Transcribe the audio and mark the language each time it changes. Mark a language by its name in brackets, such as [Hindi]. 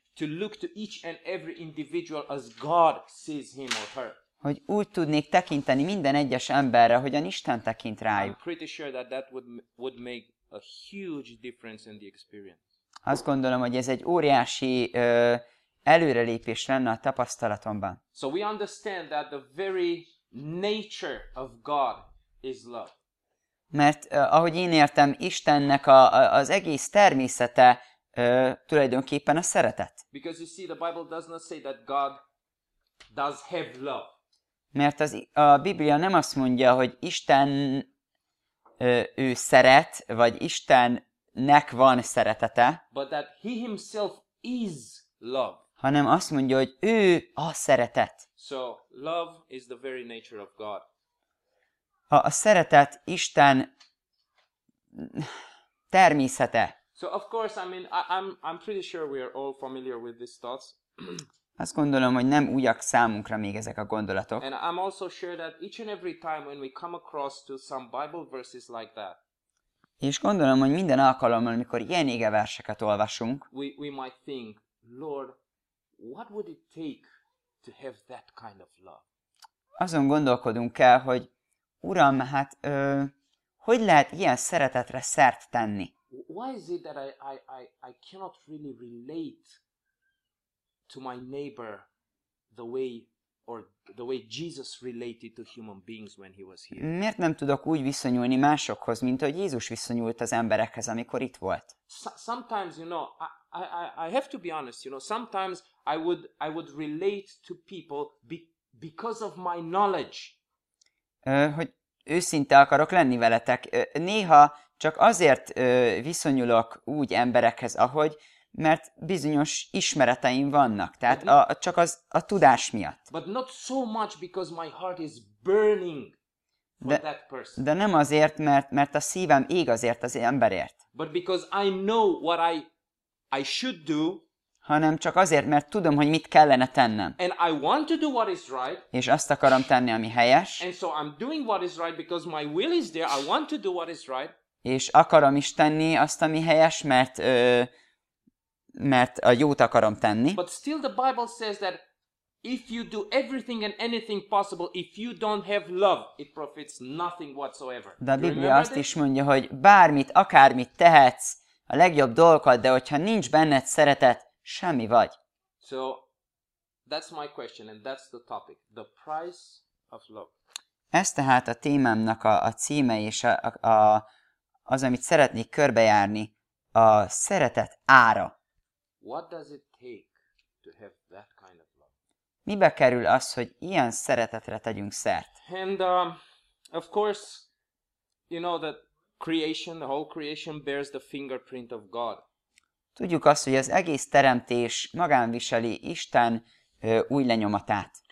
[English] To look to each and every individual as God sees him or her. [Hungarian] Hogy úgy tudnék tekinteni minden egyes emberre, hogyan Isten tekint rájuk. [English] I'm pretty sure that that would make a huge difference in the experience. [Hungarian] Azt gondolom, hogy ez egy óriási előrelépés lenne a tapasztalatomban. [English] So we understand that the very nature of God is love. [Hungarian] Mert ahogy én értem, Istennek az egész természete tulajdonképpen a szeretet. [English] Because you see, the Bible does not say that God does have love. [Hungarian] Mert a Biblia nem azt mondja, hogy Isten ő szeret, vagy Istennek van szeretete, [English] but that he himself is love. [Hungarian] Hanem azt mondja, hogy ő a szeretet. [English] So, love is the very nature of God. [Hungarian] A szeretet Isten természete. [English] So of course, I mean, I'm pretty sure we are all familiar with these thoughts. [Hungarian] Azt gondolom, hogy nem újak számunkra még ezek a gondolatok. [English] And I'm also sure that each and every time when we come across to some Bible verses like that. [Hungarian] És gondolom, hogy minden alkalommal, amikor ilyen ige verseket olvasunk, [English] we might think, Lord, what would it take to have that kind of love? [Hungarian] Azon gondolkodunk el, hogy Uram, hát hogy lehet ilyen szeretetre szert tenni? [English] Why is it that I cannot really relate to my neighbor the way Jesus related to human beings when he was here? [Hungarian] Miért nem tudok úgy viszonyulni másokhoz, mint ahogy Jézus viszonyult az emberekhez, amikor itt volt? [English] Sometimes, you know, I have to be honest, you know, sometimes I would relate to people because of my knowledge. [Hungarian] Hogy őszinte akarok lenni veletek. Néha csak azért viszonyulok úgy emberekhez, ahogy, mert bizonyos ismereteim vannak, tehát csak az a tudás miatt. [English] But not so much because my heart is burning for that person. [Hungarian] De nem azért, mert a szívem ég azért az emberért. [English] But because I know what I should do. [Hungarian] Hanem csak azért, mert tudom, hogy mit kellene tennem. [English] And I want to do what is right. [Hungarian] És azt akarom tenni, ami helyes. [English] And so I'm doing what is right because my will is there. I want to do what is right. [Hungarian] És akarom is tenni azt, ami helyes, mert a jót akarom tenni. [English] But still the Bible says that if you do everything and anything possible, if you don't have love, it profits nothing whatsoever. [Hungarian] De a Biblia azt is mondja, hogy bármit, akármit tehetsz, a legjobb dolgokat, de hogyha nincs benned szeretet, semmi vagy. [English] So, that's my question, and that's the topic. The price of love. [Hungarian] Ez tehát a témámnak a címe, és az, amit szeretnék körbejárni, a szeretet ára. [English] What does it take to have that kind of love? [Hungarian] Mibe kerül az, hogy ilyen szeretetre tegyünk szert? [English] And, of course, you know that creation, the whole creation bears the fingerprint of God. [Hungarian] Tudjuk azt, hogy az egész teremtés magán viseli Isten új lenyomatát.